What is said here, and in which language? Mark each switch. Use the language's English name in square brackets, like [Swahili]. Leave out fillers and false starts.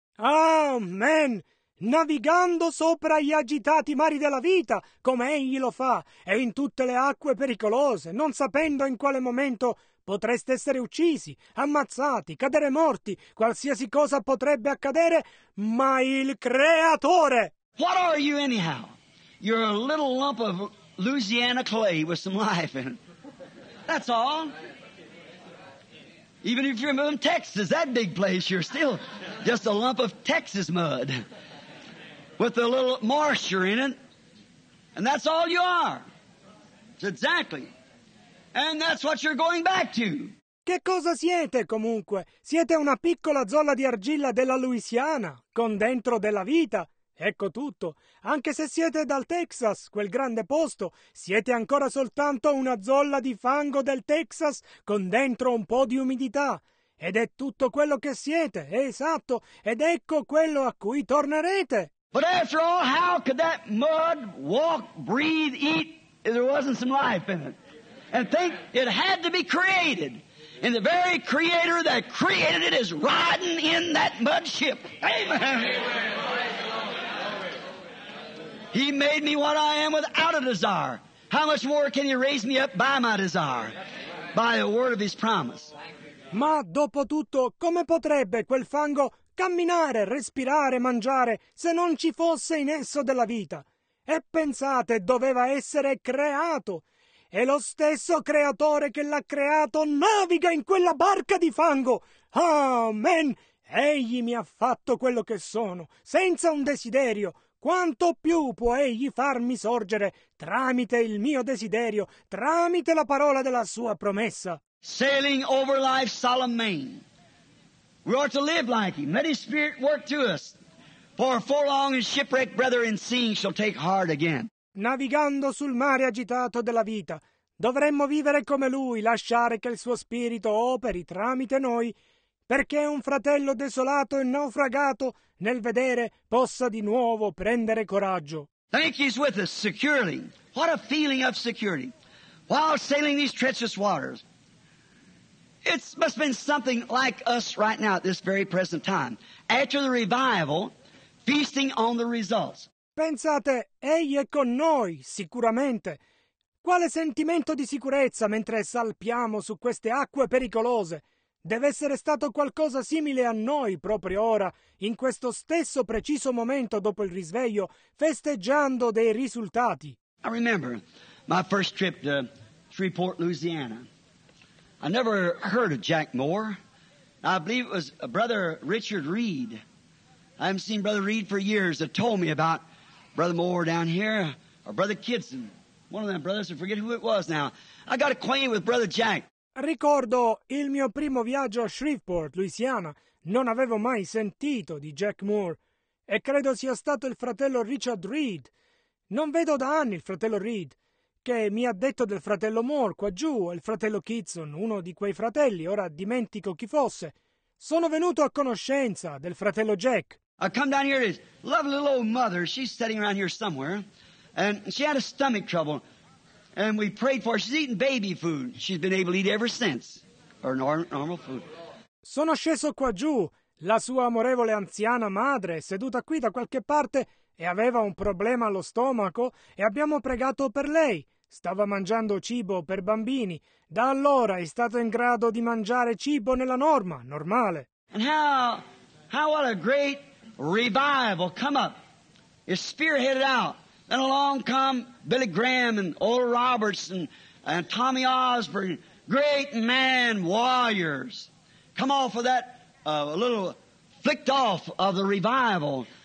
[English] Amen. [Italian] Navigando sopra gli agitati mari della vita, come egli lo fa, e in tutte le acque pericolose, non sapendo in quale momento potreste essere uccisi, ammazzati, cadere morti, qualsiasi cosa potrebbe accadere, ma il Creatore. [English] What are you anyhow? You're a little lump of Louisiana clay with some life in it. That's all. Even if you're from Texas, that big place, you're still just a lump of Texas mud with a little moisture in it. And that's all you are. It's exactly. And that's what you're going back to. [Italian] Che cosa siete, comunque? Siete una piccola zolla di argilla della Louisiana, con dentro della vita. Ecco tutto. Anche se siete dal Texas, quel grande posto, siete ancora soltanto una zolla di fango del Texas con dentro un po' di umidità. Ed è tutto quello che siete, esatto, ed ecco quello a cui tornerete. [English] But after all, how could that mud walk, breathe, eat if there wasn't some life in it? And think it had to be created. And the very creator that created it is riding in that mud ship. Amen. Amen. He made me what I am without a desire. How much more can He raise me up by my desire? By the word of His promise. [Italian] Ma dopo tutto, come potrebbe quel fango camminare, respirare, mangiare, se non ci fosse in esso della vita? E pensate, doveva essere creato. E lo stesso creatore che l'ha creato naviga in quella barca di fango. Amen. Egli mi ha fatto quello che sono, senza un desiderio. Quanto più può Egli farmi sorgere tramite il mio desiderio, tramite la parola della sua promessa? [English] Sailing over life's solemn main. We are to live like Him. Let His Spirit work to us. For forlorn and shipwrecked brother in seeing shall take heart again. [Italian] Navigando sul mare agitato della vita, dovremmo vivere come Lui, lasciare che il Suo Spirito operi tramite noi, perché un fratello desolato e naufragato nel vedere possa di nuovo prendere coraggio. [English] Thank you, He's with us securely. What a feeling of security. While sailing these treacherous waters, it must have been something like us right now at this very present time. After the revival, feasting on the results. [Italian] Pensate, Egli è con noi, sicuramente. Quale sentimento di sicurezza mentre salpiamo su queste acque pericolose? Deve essere stato qualcosa simile a noi proprio ora, in questo stesso preciso momento dopo il risveglio, festeggiando dei risultati. [English] I remember my first trip to Shreveport, Louisiana. I never heard of Jack Moore. I believe it was a brother Richard Reed. I haven't seen Brother Reed for years that told me about Brother Moore down here, or Brother Kidson, one of them brothers, I forget who it was now. I got acquainted with Brother Jack. [Italian] Ricordo il mio primo viaggio a Shreveport, Louisiana. Non avevo mai sentito di Jack Moore. E credo sia stato il fratello Richard Reed. Non vedo da anni il fratello Reed, che mi ha detto del fratello Moore qua giù, o il fratello Kidson, uno di quei fratelli, ora dimentico chi fosse. Sono venuto a conoscenza del fratello Jack. [English] I come down here to love a little old mother. She's sitting around here somewhere. And she had a stomach trouble. And we prayed for her. She's eating baby food. She's been able to eat ever since. Her normal food. [Italian] Sono sceso qua giù. La sua amorevole anziana madre, seduta qui da qualche parte, e aveva un problema allo stomaco, e abbiamo pregato per lei. Stava mangiando cibo per bambini. Da allora è stata in grado di mangiare cibo nella norma, normale. [English] And how what a great revival come up. It's spearheaded out. Then along come Billy Graham and Oral Roberts and Tommy Osborne, great man warriors. Come off of that little flicked off of the revival.